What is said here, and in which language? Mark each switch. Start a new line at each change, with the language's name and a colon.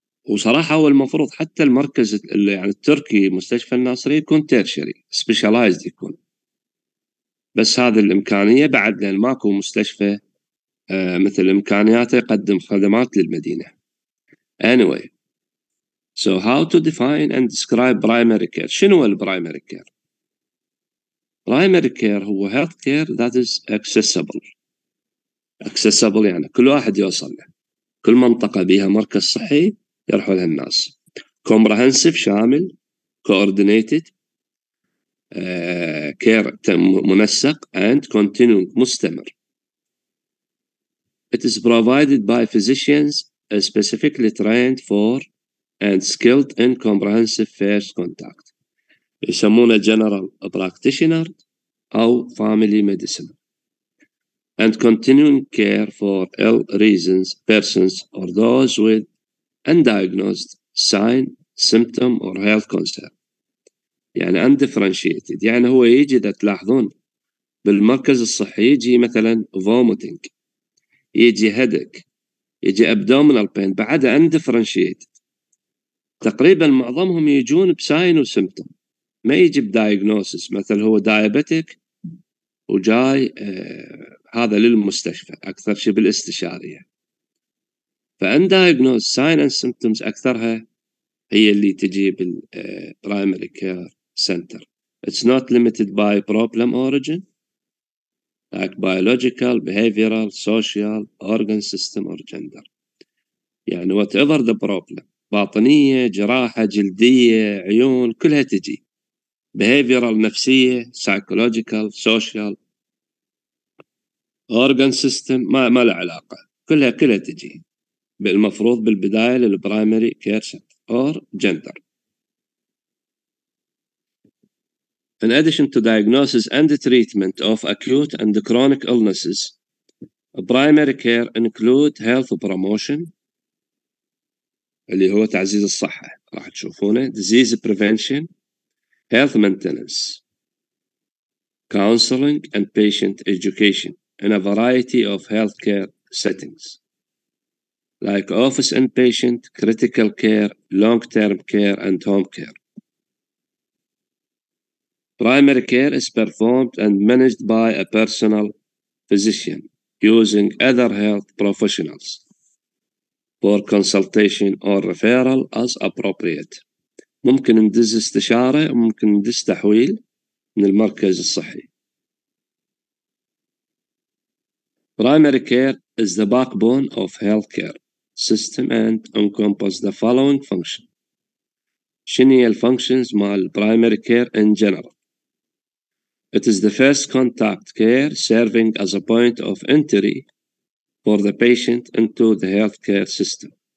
Arabic: وصراحة هو المفروض حتى المركز اللي يعني التركي مستشفى الناصري يكون تيرشري سبيشالايزد يكون، بس هذه الإمكانية بعد لأن ماكو مستشفى مثل إمكانياته يقدم خدمات للمدينة.
English: anyway so how to define and describe primary care.
Arabic: شنو البرايمري كير؟
English: primary care هو healthcare that is accessible.
Arabic: accessible يعني كل واحد يوصل له، كل منطقة بيها مركز صحي يروحوا لها الناس.
English: comprehensive شامل، coordinated care منسق، and continuing مستمر. it is provided by physicians specifically trained for and skilled in comprehensive first contact.
Arabic: يسمونه general practitioner أو family medicine.
English: and continuing care for ill reasons, persons, or those with undiagnosed sign, symptom, or health concern.
Arabic: يعني undifferentiated. يعني هو يجي ده تلاحظون بالمركز الصحي يجي مثلا vomiting. يجي headache. يجي abdominal pain. بعدها undifferentiated. تقريبا معظمهم يجون بساين وسيمتوم. ما يجي بدايجنوسس. مثلا هو diabetic وجاي هذا للمستشفى. أكثر شيء بالاستشارية. فundiagnosed
English: sign and symptoms
Arabic: أكثرها هي اللي تجي بالprimary care. Center.
English: It's not limited by problem origin, like biological, behavioral, social, organ system, or gender.
Arabic: يعني
English: whatever the problem,
Arabic: باطنية, جراحة, جلدية, عيون, كلها تجي. Behavioral, نفسية, psychological, social, organ system, ما له علاقة. كلها تجي. بالمفروض بالبداية للprimary care center
English: or gender. In addition to diagnosis and the treatment of acute and chronic illnesses, primary care include health promotion,
Arabic: اللي هو تعزيز الصحة راح تشوفونه,
English: disease prevention, health maintenance, counseling and patient education in a variety of healthcare settings, like office inpatient, critical care, long-term care and home care. Primary care is performed and managed by a personal physician using other health professionals for consultation or referral as appropriate.
Arabic: ممكن ندز استشارة وممكن ندز تحويل من المركز الصحي.
English: Primary care is the backbone of healthcare system and encompasses the following function. Shinial functions mal primary care in general. It is the first contact care serving as a point of entry for the patient into the healthcare system.